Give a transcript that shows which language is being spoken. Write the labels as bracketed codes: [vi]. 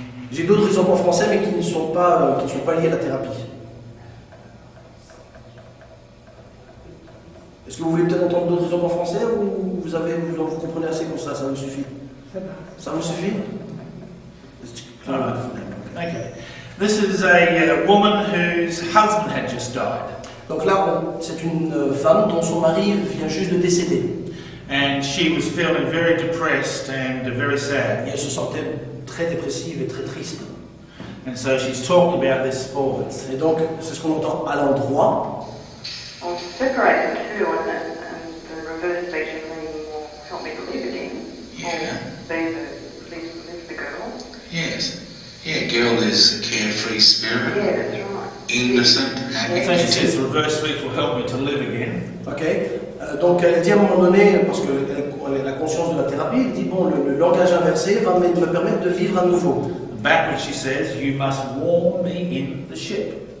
[fr] J'ai d'autres exemples en français, mais qui ne sont pas liés à la thérapie. Est-ce que vous voulez peut-être entendre d'autres exemples en français ou vous comprenez assez comme ça, ça vous suffit? Ça vous suffit? [en] Okay. This is a woman whose husband had just died. [fr] Donc là, c'est une femme dont son mari vient juste de décéder. [en] And she was feeling very depressed and very sad. [fr] Et elle se sentait très dépressive et très triste. [en] And so she's talking about this forward. [fr] Et donc, c'est ce qu'on entend à l'endroit. [en] Well, to separate the two, and the reverse speech is meaning will help me to live again. Yeah. Leave the girl. Yes. Yeah, girl is a carefree spirit. Yeah, that's right. Innocent. Yeah. So she says, reverse speech will help me to live again. Okay. [fr] Donc elle dit à un moment donné, parce que la conscience de la thérapie, elle dit bon, le langage inversé va me permettre de vivre à nouveau. [en] Back when she says, you must warm me in the ship.